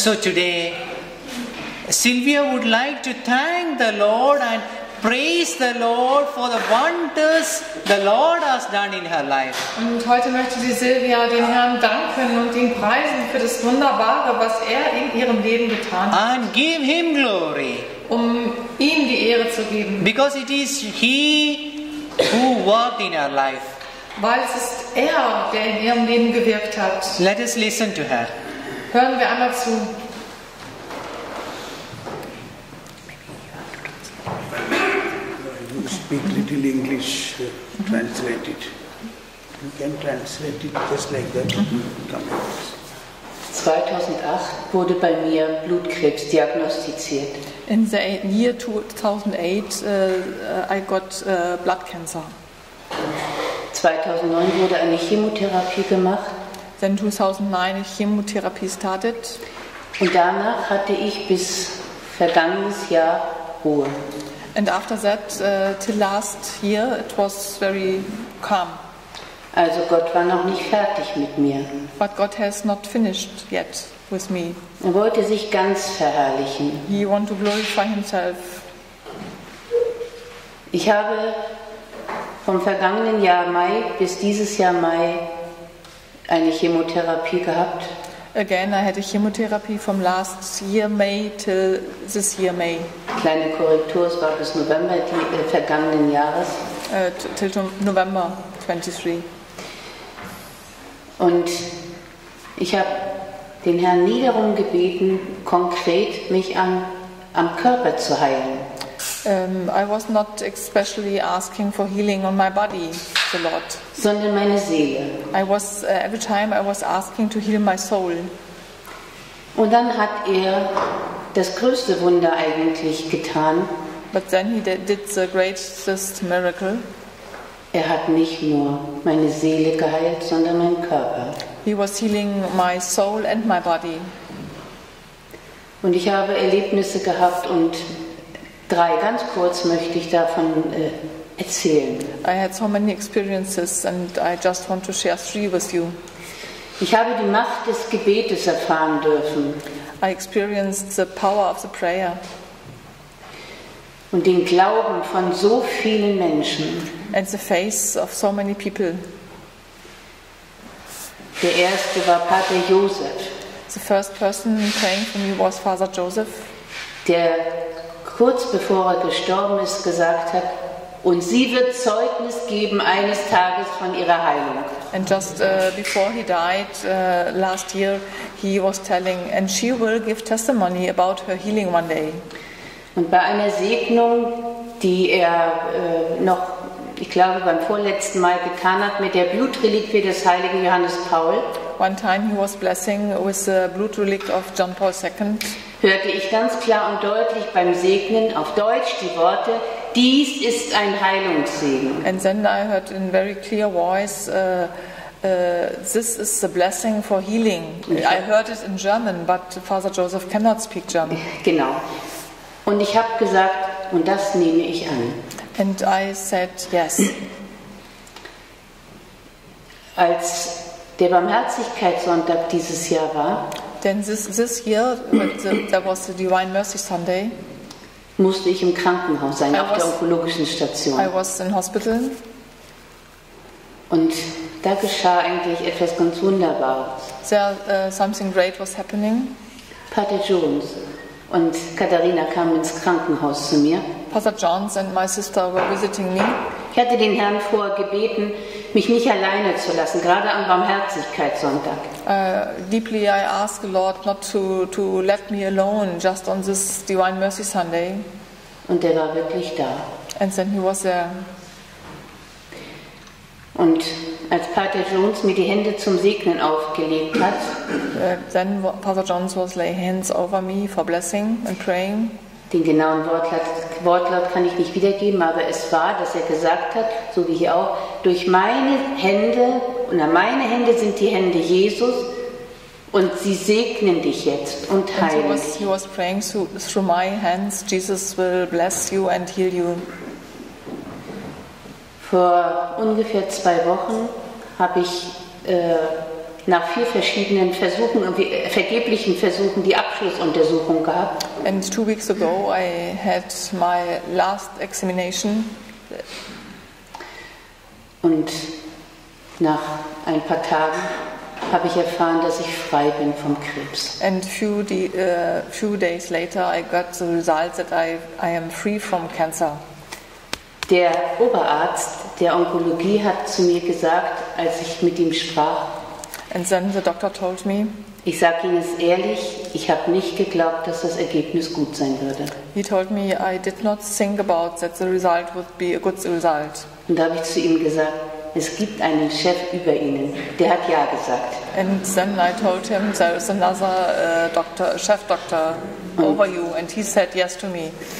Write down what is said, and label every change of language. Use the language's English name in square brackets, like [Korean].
[English] So today, Sylvia would like to thank the Lord and praise the Lord for the wonders the Lord has done in her life. [German] Und heute möchte sie Sylvia den Herrn danken und ihn preisen für das Wunderbare, was er in ihrem Leben getan hat. [English] And give him glory. [German] Um ihm die Ehre zu geben. [English] Because it is he who worked in her life. [German] Weil es ist er, der in ihrem Leben gewirkt hat. [English] Let us listen to her. [German] Hören wir einmal zu. [English] Speak little English, translate it. You can translate it just like that. Mm-hmm. [German] 2008 wurde bei mir Blutkrebs diagnostiziert. [English] In the year 2008, I got blood cancer. [German] 2009 wurde eine Chemotherapie gemacht. [English] Then 2009 Chemotherapie started. [German] Und danach hatte ich bis vergangenes Jahr Ruhe. [English] And after that, till last year, it was very calm. [German] Also Gott war noch nicht fertig mit mir. [English] But God has not finished yet with me. [German] Er wollte sich ganz verherrlichen. [English] He wanted to glorify himself. [German] Ich habe vom vergangenen Jahr Mai bis dieses Jahr Mai eine Chemotherapie gehabt. [English] Again, I had a chemotherapy from last year May till this year May. [German] Kleine Korrektur, es war bis November die vergangenen Jahres. [English] Till November 23. [German] Und ich habe den Herrn nie darum gebeten, konkret mich am Körper zu heilen. [English] I was not especially asking for healing on my body, the Lord. [German] Sondern meine Seele. [English] I was every time I was asking to heal my soul. [German] Und dann hat er das größte Wunder eigentlich getan. [English] But then he did the greatest miracle. [German] Er hat nicht nur meine Seele geheilt, sondern meinen Körper. [English] He was healing my soul and my body. [German] Und ich habe Erlebnisse gehabt und drei ganz kurz möchte ich davon erzählen. [English] I had so many experiences and I just want to share three with you. [German] Ich habe die Macht des Gebetes erfahren dürfen. [English] I experienced the power of the prayer. [German] Und den Glauben von so vielen Menschen. [English] And the faith of so many people. [German] Der erste war Pater Joseph. [English] The first person praying for me was Father Joseph. [German] Der kurz bevor er gestorben ist, gesagt hat, und sie wird Zeugnis geben eines Tages von ihrer Heilung. [English] And just before he died last year, he was telling, and she will give testimony about her healing one day. [German] Und bei einer Segnung, die er noch, ich glaube, beim vorletzten Mal getan hat, mit der Blutreliquie des heiligen Johannes Paul. [English] One time he was blessing with the blood relic of John Paul II. [German] Hörte ich ganz klar und deutlich beim Segnen auf Deutsch die Worte, dies ist ein Heilungssegen. [English] And then I heard in very clear voice, this is the blessing for healing. I heard it in German, but Father Joseph cannot speak German. [German] Genau. Und ich habe gesagt, und das nehme ich an. [English] And I said, yes. [German] Als der Barmherzigkeitssonntag dieses Jahr war, [English] denn this year, that was the Divine Mercy Sunday, [German] musste ich im Krankenhaus sein, auf der onkologischen Station. [English] I was in hospital. [German] Und da geschah eigentlich etwas ganz Wunderbares. [English] There, something great was happening. [German] Pater Jones und Katharina kamen ins Krankenhaus zu mir. [English] Pater Jones and my sister were visiting me. [German] Ich hatte den Herrn vorher gebeten, mich nicht alleine zu lassen, gerade am Barmherzigkeitssonntag. [English] Deeply I ask the Lord not to let me alone just on this Divine Mercy Sunday. [German] Und er war wirklich da. [English] And then he was there. [German] Und als Pater Jones mir die Hände zum Segnen aufgelegt hat, [English] then Pater Jones was laying hands over me for blessing and praying. [German] Den genauen Wortlaut kann ich nicht wiedergeben, aber es war, dass er gesagt hat, so wie hier auch, durch meine Hände, und an meine Hände sind die Hände Jesus, und sie segnen dich jetzt und heilen dich. [English] He was praying through my hands, Jesus will bless you and heal you. [German] Vor ungefähr zwei Wochen habe ich nach vier verschiedenen Versuchen, vergeblichen Versuchen die Abschlussuntersuchung gab. [English] And 2 weeks ago I had my last examination. [German] Und nach ein paar Tagen habe ich erfahren, dass ich frei bin vom Krebs. [English] And few days later I got the result that I am free from cancer. [German] Der Oberarzt der Onkologie hat zu mir gesagt, als ich mit ihm sprach. [English] And then the doctor told me. [German] Ich sage Ihnen es ehrlich, ich habe nicht geglaubt, dass das Ergebnis gut sein würde. [English] He told me I did not think about that the result would be a good result. [German] Und da habe ich zu ihm gesagt, es gibt einen Chef über Ihnen, der hat ja gesagt. [English] And then I told him there is another doctor, a chef doctor over you, and he said yes to me.